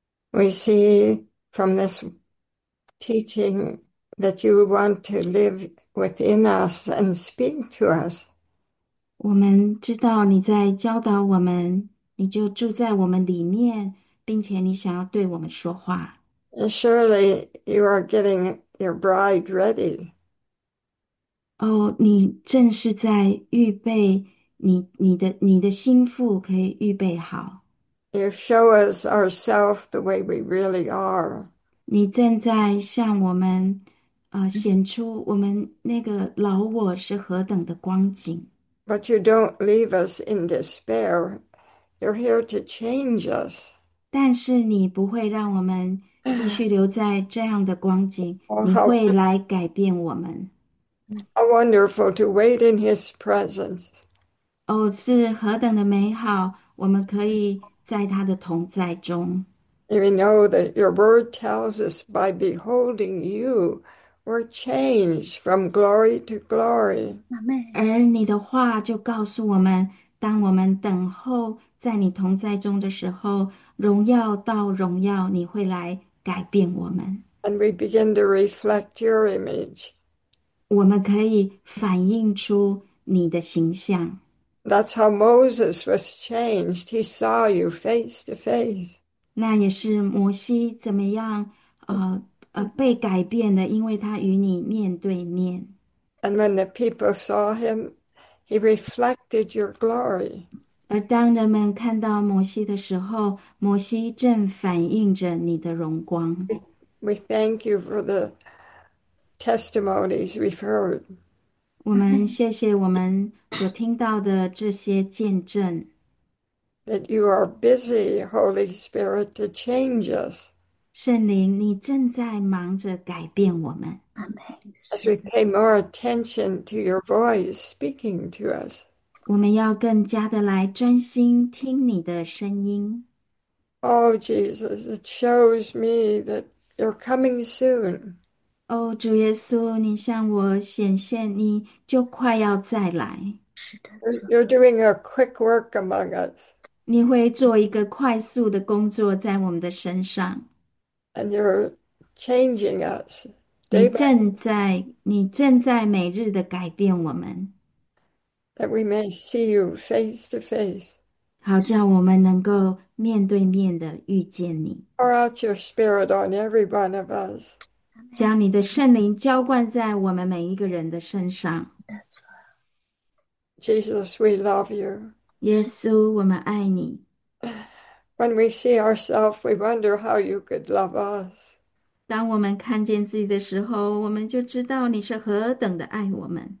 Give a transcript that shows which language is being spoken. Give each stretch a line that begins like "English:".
English: We see from this teaching that you want to live within us and speak to us.
Chinese: 我们知道你在教导我们，你就住在我们里面，并且你想要对我们说话。
English: Surely you are getting your bride ready.
Chinese: 哦，你正是在预备你的心腹可以预备好。
English: You show us ourselves the way we really are.
Chinese: 你正在向我们，显出我们那个老我是何等的光景。
English: But you don't leave us in despair. You're here to change us.
Chinese: 但是你不会让我们继续留在这样的光景，你
English: Oh,
Chinese: 会来改变我们。
English: how wonderful to wait in his presence.
Chinese: 哦，是何等的美好，我们可以在他的同在中。
English: We know that your word tells us by beholding you, we're changed from glory to glory.
Chinese: 而你的话就告诉我们，当我们等候在你同在中的时候，荣耀到荣耀，你会来改变我们。
English: And we begin to reflect your image.
Chinese: 我们可以反映出你的形象。
English: That's how Moses was changed. He saw you face to face.
Chinese: 那也是摩西怎么样，被改变了，因为他与你面对面。
English: When the people saw him, he reflected your glory.
Chinese: 而当人们看到摩西的时候，摩西正反映着你的荣光。
English: We thank you for the testimonies we've heard.
Chinese: 我们谢谢我们所听到的这些见证。
English: That you are busy, Holy Spirit, to change us.
Chinese: 圣灵，你正在忙着改变我们。
English: As we pay more attention to your voice speaking to us.
Chinese: 我们要更加的来专心听你的声音。
English: Oh, Jesus, it shows me that you're coming soon.
Chinese: 哦，主耶稣，你向我显现，你就快要再来。是的，
English: You're doing a quick work among us.
Chinese: 你会做一个快速的工作在我们的身上。
English: And you're changing us day by day.
Chinese: 你正在每日的改变我们。
English: That we may see you face to face.
Chinese: 好，这样我们能够面对面的遇见你。
English: Pour out your spirit on every one of us.
Chinese: 将你的圣灵浇灌在我们每一个人的身上。
English: Jesus, we love you.
Chinese: 耶稣，我们爱你。
English: When we see ourselves, we wonder how you could love us.
Chinese: 当我们看见自己的时候，我们就知道你是何等的爱我们。